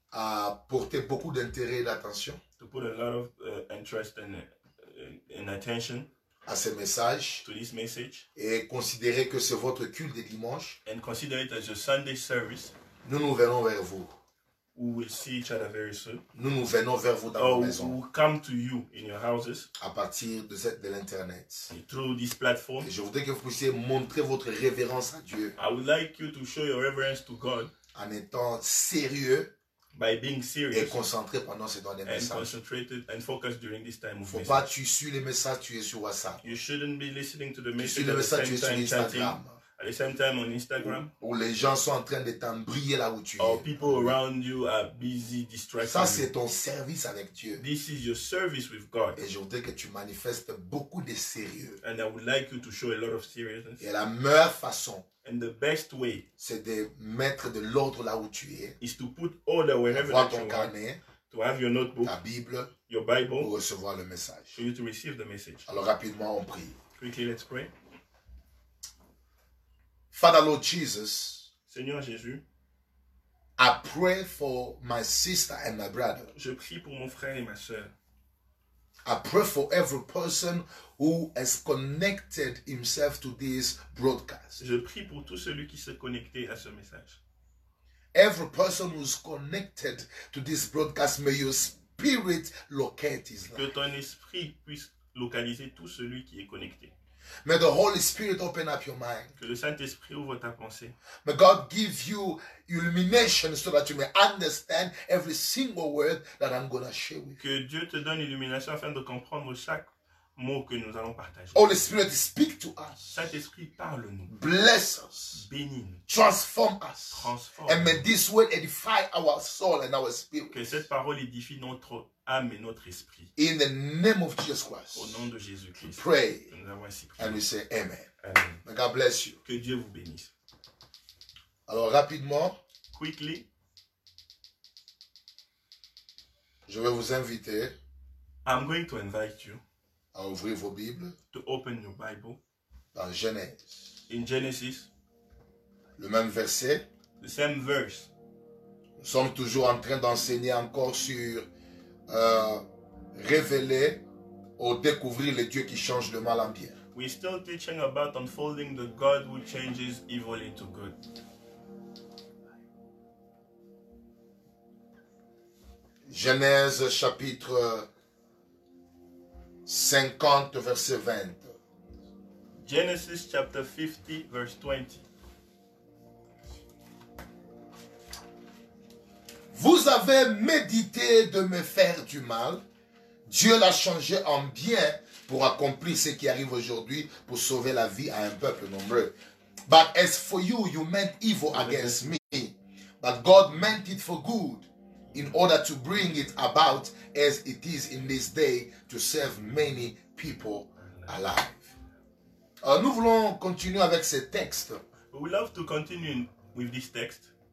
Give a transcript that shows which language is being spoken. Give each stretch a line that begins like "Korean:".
French: À porter beaucoup d'intérêt et d'attention.
English: To put a lot of interest and attention.
French: À ce message.
English: To this message.
French: Et considérer que c'est votre culte de dimanche.
English: And consider it as your Sunday service.
French: Nous nous verrons vers vous.
English: We will see each other very soon.
French: Nous nous venons vers vous dans vos maisons.
English: We will come to you in your houses.
French: À partir de cette de l'internet.
English: Through this platform.
French: Et je voudrais que vous puissiez montrer votre révérence à Dieu.
English: I would like you to show your reverence to God.
French: En étant sérieux.
English: By being serious.
French: Et concentré pendant ces temps de message.
English: And concentrated and focused during this time of message.
French: Faut pas tu suis les messages, tu es sur WhatsApp.
English: You shouldn't be listening to the message at the same time chatting. At the same time on Instagram,
French: où les gens sont en train de t'embrouiller là où tu es.
English: Or people around you are busy distracting.
French: Ça c'est ton service avec Dieu.
English: This is your service with God.
French: Et je voudrais que tu manifestes beaucoup de sérieux.
English: And I would like you to show a lot of seriousness.
French: Et la meilleure façon.
English: And the best way.
French: C'est de mettre de l'ordre là où tu es.
English: Is to put order wherever that you are. To have your notebook.
French: Ta Bible.
English: Your Bible.
French: Pour recevoir le message.
English: For you to receive the message.
French: Alors rapidement on prie.
English: Quickly let's pray. Father Lord Jesus,
French: Seigneur Jésus,
English: I pray for my sister and my brother.
French: Je prie pour mon frère et ma sœur.
English: I pray for every person who has connected himself to this broadcast.
French: Je prie pour tout celui qui s'est connecté à ce message.
English: Every person who's connected to this broadcast, may your spirit locate his life.
French: Que ton esprit puisse localiser tout celui qui est connecté.
English: May the Holy Spirit open up your mind.
French: Que le Saint-Esprit ouvre ta pensée.
English: May God give you illumination so that you may understand every single word that I'm going to share with you.
French: Que Dieu te donne illumination afin de comprendre chaque mot que nous allons partager.
English: Holy Spirit, speak to us.
French: Saint-Esprit, parle-nous.
English: Bless us.
French: Bénis-nous.
English: Transform us.
French: Transforme.
English: And may this word edify our soul and our spirit.
French: Que cette parole édifie notre âme et notre esprit.
English: In the name of Jesus Christ.
French: Au nom de Jésus-Christ.
English: Pray.
French: Nous avons ainsi prié.
English: And we say amen. Amen. God bless you.
French: Que Dieu vous bénisse. Alors rapidement.
English: Quickly.
French: Je vais vous inviter.
English: I'm going to invite you.
French: À ouvrir vos Bibles.
English: To open your Bible.
French: Dans Genèse.
English: In Genesis.
French: Le même verset.
English: The same verse.
French: Nous sommes toujours en train d'enseigner encore sur révéler ou découvrir les dieux qui changent le mal en bien.
English: We're still teaching about unfolding the God who changes evil into good.
French: Genèse chapitre 50 verset 20.
English: Genesis chapter 50 verse 20.
French: Vous avez médité de me faire du mal. Dieu l'a changé en bien pour accomplir ce qui arrive aujourd'hui pour sauver la vie à un peuple nombreux.
English: But as for you, you meant evil against me. But God meant it for good in order to bring it about as it is in this day to save many people alive.
French: Nous voulons continuer avec ce texte.
English: We would love to continue with this text.